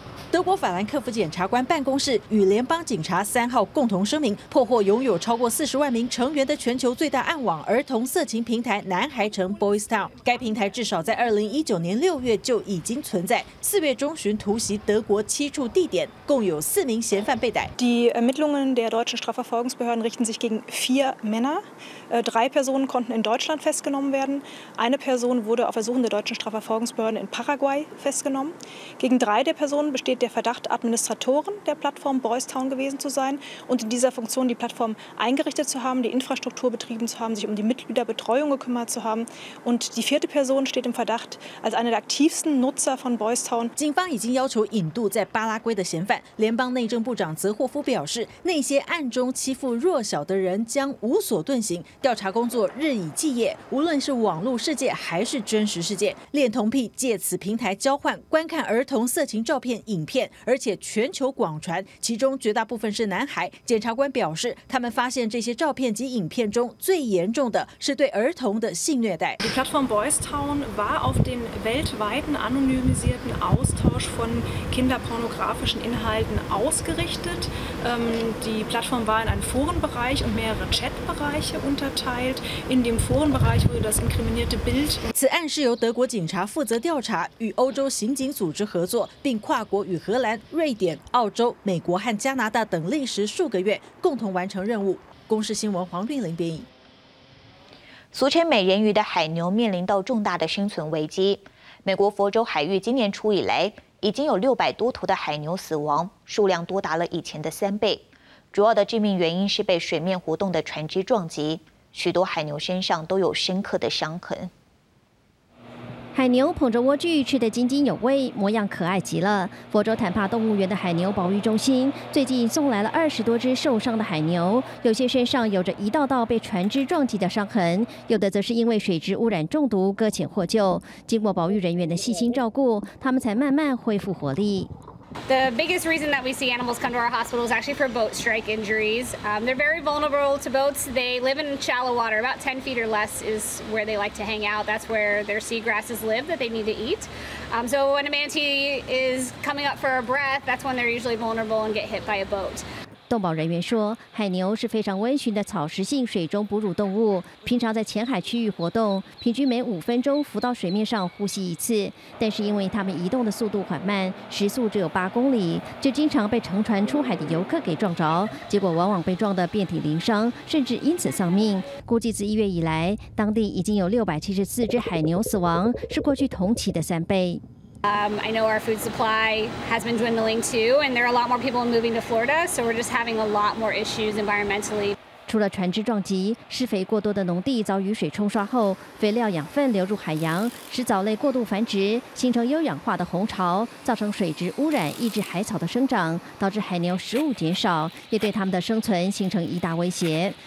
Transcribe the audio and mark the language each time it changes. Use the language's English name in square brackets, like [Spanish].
[Chinese] 德国法兰克福检察官办公室与联邦警察3号共同声明，破获拥有超过40万名成员的全球最大暗网儿童色情平台南孩城 Boys Town。该平台至少在2019年6月就已经存在，4月中旬突袭德国7处地点，共有4名嫌犯被逮。 [German] Die Ermittlungen der deutschen Strafverfolgungsbehörden richten sich gegen 4 Männer. 3 Personen konnten in Deutschland festgenommen werden. Eine Person wurde auf Ersuchen der deutschen Strafverfolgungsbehörden in Paraguay festgenommen. Gegen 3 der Personen besteht der Verdacht, Administratoren der Plattform Boys Town gewesen zu sein und in dieser Funktion die Plattform eingerichtet zu haben, die Infrastruktur betrieben zu haben, sich um die Mitgliederbetreuung gekümmert zu haben. Und die 4. Person steht im Verdacht, als eine der aktivsten Nutzer von Boys Town. [Chinese] 警方已经要求引渡在巴拉圭的嫌犯。联邦内政部长泽霍夫表示，那些暗中欺负弱小的人将无所遁形。调查工作日以继夜，无论是网络世界还是真实世界，恋童癖借此平台交换观看儿童色情照片、影片，而且全球广传，其中绝大部分是男孩。检察官表示，他们发现这些照片及影片中最严重的是对儿童的性虐待。 [German] Die Plattform Boys Town war auf den weltweiten anonymisierten Austausch von kinderpornografischen Inhalten ausgerichtet. Die Plattform war in einen Forenbereich und mehrere Chatbereiche unterteilt. In dem Forenbereich wurde das inkriminierte Bild. [Chinese] 此案是由德国警察负责调查，与欧洲刑警组织合作，并跨国与荷兰、瑞典、澳洲、美国和加拿大等历时数个月，共同完成任务。公视新闻黄韵玲编译。俗称美人鱼的海牛面临到重大的生存危机。美国佛州海域今年初以来，已经有600多头的海牛死亡，数量多达了以前的3倍。主要的致命原因是被水面活动的船只撞击，许多海牛身上都有深刻的伤痕。海牛捧着莴苣，吃得津津有味，模样可爱极了。佛州坦帕动物园的海牛保育中心最近送来了20多只受伤的海牛，有些身上有着一道道被船只撞击的伤痕，有的则是因为水质污染中毒搁浅获救。经过保育人员的细心照顾，他们才慢慢恢复活力。 [English] The biggest reason that we see animals come to our hospital is actually for boat strike injuries. They're very vulnerable to boats. They live in shallow water. About 10 feet or less is where they like to hang out. That's where their seagrasses live that they need to eat. So when a manatee is coming up for a breath, that's when they're usually vulnerable and get hit by a boat. [Chinese] 动保人员说，海牛是非常温驯的草食性水中哺乳动物，平常在浅海区域活动，平均每5分钟浮到水面上呼吸一次。但是因为它们移动的速度缓慢，时速只有8公里，就经常被乘船出海的游客给撞着，结果往往被撞得遍体鳞伤，甚至因此丧命。估计自1月以来，当地已经有674只海牛死亡，是过去同期的3倍。 [English] I know our food supply has been dwindling too, and there are a lot more people moving to Florida, so we're just having a lot more issues environmentally. [Chinese] 除了船只撞击，施肥过多的农地遭雨水冲刷后，肥料养分流入海洋，使藻类过度繁殖，形成优氧化的洪潮，造成水质污染，抑制海草的生长，导致海牛食物减少，也对它们的生存形成一大威胁。